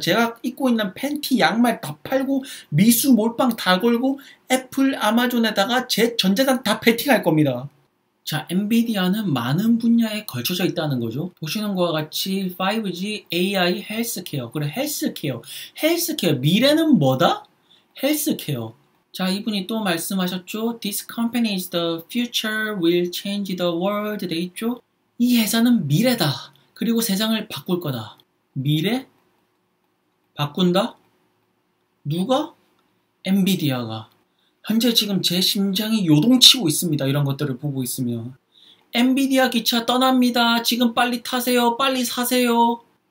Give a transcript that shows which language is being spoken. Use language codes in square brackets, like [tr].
[ko] 제가 입고 있는 팬티, 양말 다 팔고 미수 몰빵 다 걸고 애플, 아마존에다가 제 전재산 다 베팅할 겁니다. 자, 엔비디아는 많은 분야에 걸쳐져 있다는 거죠. 보시는 것과 같이 5G, AI, 헬스케어. 그래, 헬스케어. 헬스케어, 미래는 뭐다? 헬스케어. 자, 이분이 또 말씀하셨죠. [en] This company is the future will change the world [ko] 돼 있죠. 이 회사는 미래다. 그리고 세상을 바꿀 거다. 미래? 바꾼다? 누가? 엔비디아가. 현재 지금 제 심장이 요동치고 있습니다. 이런 것들을 보고 있으면. 엔비디아 기차 떠납니다. 지금 빨리 타세요. 빨리 사세요.